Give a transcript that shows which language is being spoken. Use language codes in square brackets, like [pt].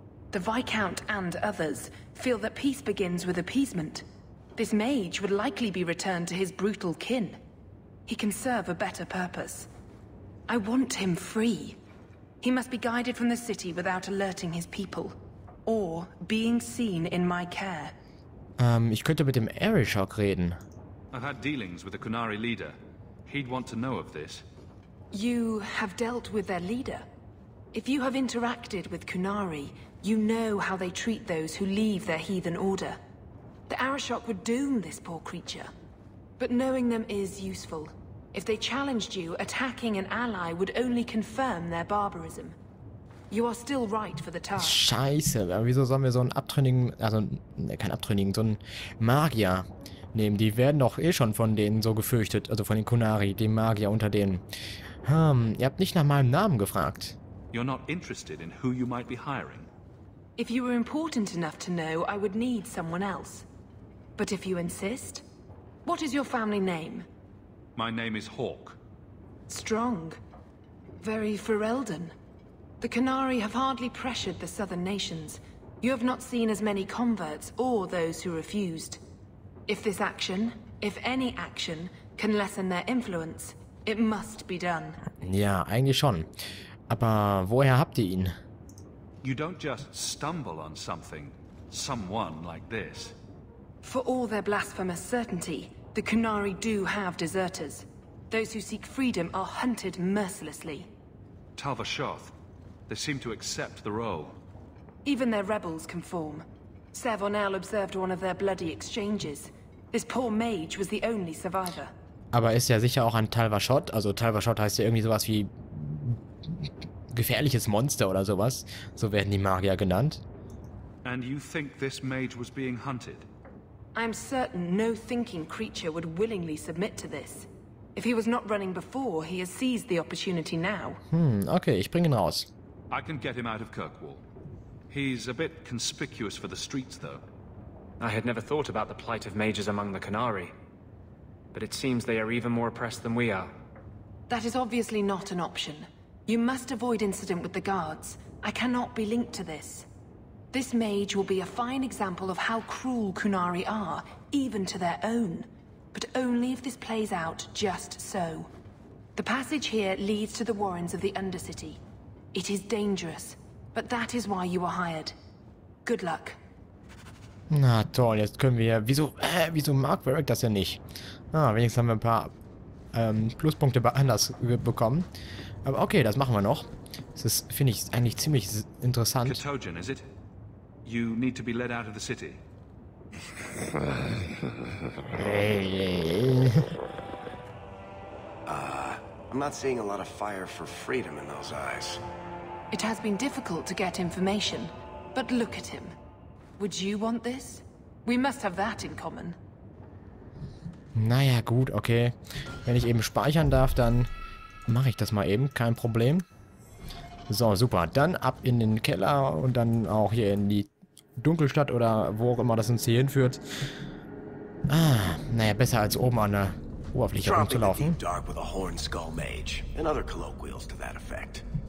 [en] The Viscount and others feel that peace begins with appeasement. This mage would likely be returned to his brutal kin. He can serve a better purpose. I want him free. He must be guided from the city without alerting his people. Or being seen in my care. [de] Ich könnte mit dem Erishok reden. [en] I've had dealings with the Kunari leader. He'd want to know of this. You have dealt with their leader. If you have interacted with Kunari, you know how they treat those who leave their heathen order. The Arashok would doom this poor creature. But knowing them is useful. If they challenged you, attacking an ally would only confirm their barbarism. You are still right for the task. [de] Scheiße, wieso sollen wir so einen abtrünnigen, also kein abtrünnigen, so einen Magier nehmen? Die werden doch eh schon von denen so gefürchtet, also von den Kunari, dem Magier unter denen. Ihr habt nicht nach meinem Namen gefragt. [en] You're not interested in who you might be hiring. If you were important enough to know, I would need someone else. But if you insist, what is your family name? My name is Hawk. Strong. Very Ferelden. The Kunari have hardly pressured the southern nations. You have not seen as many converts or those who refused. If this action, if any action, can lessen their influence, it must be done. [de] Ja, eigentlich schon. Aber woher habt ihr ihn? [en] You don't just stumble on something, someone like this. For all their blasphemous certainty, the Kunari do have deserters. Those who seek freedom are hunted mercilessly. Talvashoth, they seem to accept the role. Even their rebels conform. Servonel observed one of their bloody exchanges. This poor mage was the only survivor. [de] Aber ist ja sicher auch an Talvashoth, also Talvashoth heißt ja irgendwie sowas wie gefährliches Monster oder sowas, so werden die Magier genannt. [en] And you think this mage was being hunted? I am certain no thinking creature would willingly submit to this. If he was not running before, he has seized the opportunity now. [de] Okay, ich bring ihn raus. [en] I can get him out of Kirkwall. He's a bit conspicuous for the streets, though. I had never thought about the plight of mages among the Kunari. But it seems they are even more oppressed than we are. That is obviously not an option. You must avoid incident with the guards. I cannot be linked to this. This mage will be a fine example of how cruel Kunari are, even to their own. But only if this plays out just so. The passage here leads to the warrens of the Undercity. It is dangerous, but that is why you were hired. Good luck. [de] Na toll, jetzt können wir... Wieso mag Varric das denn nicht? Wenigstens haben wir ein paar Pluspunkte bei Anders bekommen. Aber okay, das machen wir noch. Das ist, finde ich, eigentlich ziemlich interessant. [en] Katojin, is it? You need to be led out of the city. I'm not seeing a lot of fire for freedom in those eyes. It has been difficult to get information, but look at him. Would you want this? We must have that in common. [de] Naja, gut, okay. Wenn ich eben speichern darf, dann mache ich das mal eben, kein Problem. So, super. Dann ab in den Keller und dann auch hier in die Dunkelstadt oder wo auch immer das uns hier hinführt. Naja, besser als oben an der Oberfläche rumzulaufen. [en] Dropping the deep dark with a horn skull mage and other colloquials to that effect.